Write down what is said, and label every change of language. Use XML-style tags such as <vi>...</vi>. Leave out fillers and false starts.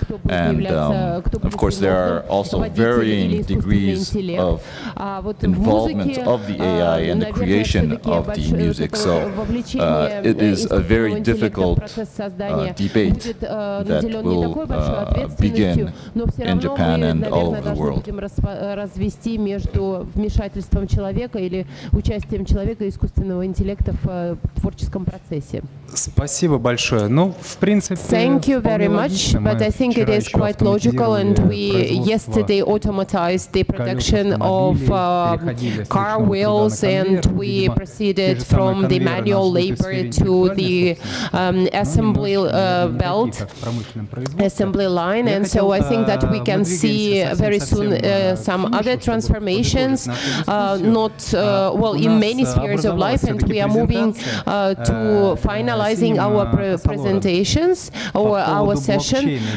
<en>And of course, there are also varying degrees of involvement of the AI in the creation of the music. So it is a very difficult debate that will begin in Japan and all over the world.</en> <ru>Развести между вмешательством человека или участием человека искусственного интеллекта в творческом процессе. Спасибо большое. Ну, в принципе,</ru> <en>thank you very much, but I think it is quite logical, and we yesterday automatized the production of car wheels, and we proceeded from the manual labor to the assembly belt, assembly line, and so I think that we can see very soon some other transformations, in many spheres of life, and we are moving to finalizing our presentations or our session.</en>